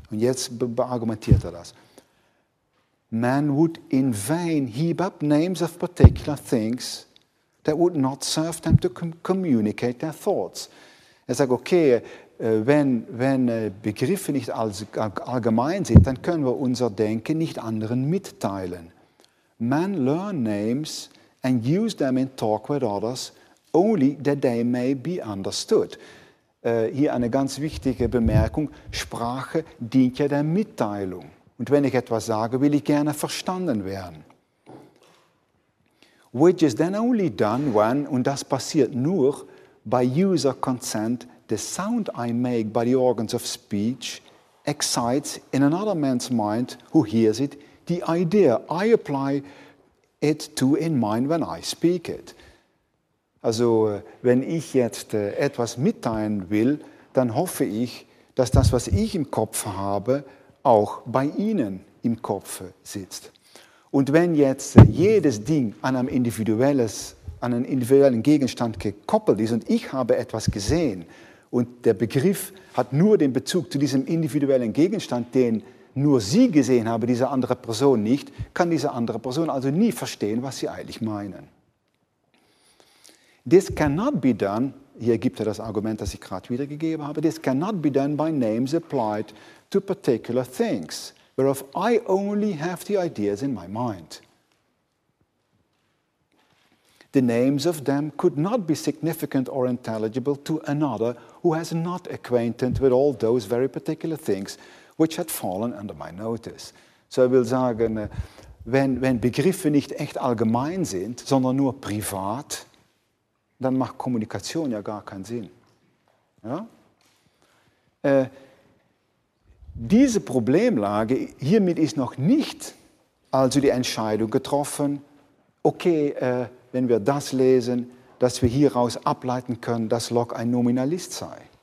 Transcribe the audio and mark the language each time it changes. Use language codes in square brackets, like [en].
[de] Und jetzt argumentiert er das. [en] Man would in vain heap up names of particular things that would not serve them to communicate their thoughts. [de] Er sagt, okay, wenn Begriffe nicht allgemein sind, dann können wir unser Denken nicht anderen mitteilen. [en] Men learn names and use them in talk with others only that they may be understood. [de] Hier eine ganz wichtige Bemerkung. Sprache dient ja der Mitteilung. Und wenn ich etwas sage, will ich gerne verstanden werden. [en] Which is then only done when, [de] und das passiert nur, [en] by user consent, the sound I make by the organs of speech excites in another man's mind who hears it the idea I apply it to in mind when I speak it. [de] Also, wenn ich jetzt etwas mitteilen will, dann hoffe ich, dass das, was ich im Kopf habe, auch bei Ihnen im Kopf sitzt. Und wenn jetzt jedes Ding an einen individuellen Gegenstand gekoppelt ist und ich habe etwas gesehen und der Begriff hat nur den Bezug zu diesem individuellen Gegenstand, den nur sie gesehen habe, diese andere Person nicht, kann diese andere Person also nie verstehen, was sie eigentlich meinen. [en] This cannot be done, [de] hier gibt er das Argument, das ich gerade wiedergegeben habe, [en] this cannot be done by names applied to particular things, whereof I only have the ideas in my mind. The names of them could not be significant or intelligible to another who has not acquainted with all those very particular things which had fallen under my notice. [de] So I will sagen, wenn Begriffe nicht echt allgemein sind, sondern nur privat, dann macht Kommunikation ja gar keinen Sinn. Ja? Diese Problemlage, hiermit ist noch nicht also die Entscheidung getroffen, okay, wenn wir das lesen, dass wir hieraus ableiten können, dass Locke ein Nominalist sei.